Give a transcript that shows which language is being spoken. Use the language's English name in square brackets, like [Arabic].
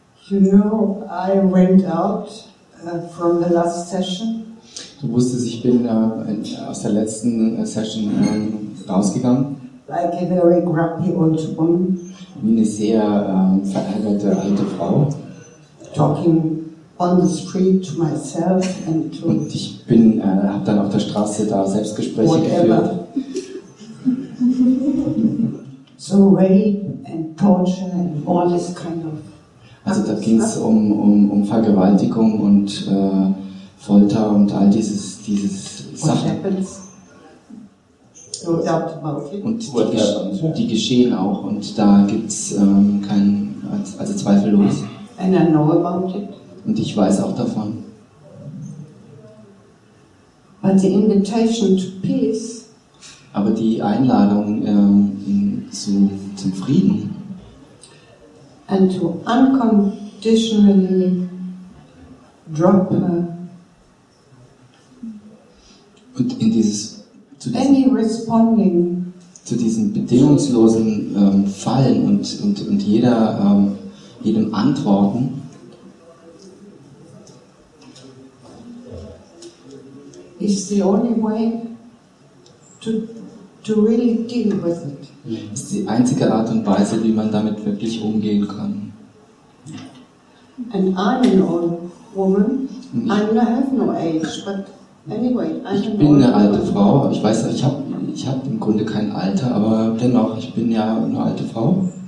[English] You know, I went out from the last session. [German] Du wusstest, ich bin aus der letzten Session rausgegangen. [English] Like a very grumpy old woman. [German] Wie eine sehr verärgerte alte Frau. [English] Talking on the street to myself and to. [German] Und ich bin, habe dann auf der Straße da Selbstgespräche geführt. [English] So rape and torture and all this kind of. [German] Also da ging es um Vergewaltigung und Folter und all dieses Sachen. Und die geschehen auch und da gibt es keinen, also zweifellos. [English] And I know about it. [German] Und ich weiß auch davon. [English] But the invitation to peace. [German] Aber die Einladung zum Frieden. [English] And to unconditionally drop her. [German] Und in dieses [English] any responding [German] zu diesem bedingungslosen Fallen und jeder jedem Antworten. [English] Is the only way to really deal with it. [German] Ist die einzige Art und Weise, wie man damit wirklich umgehen kann. [English] And I'm an old woman. I have no age, but anyway, [German] ich bin eine alte Frau. Ich weiß, ich hab im Grunde kein Alter, aber dennoch, ich bin ja eine alte Frau.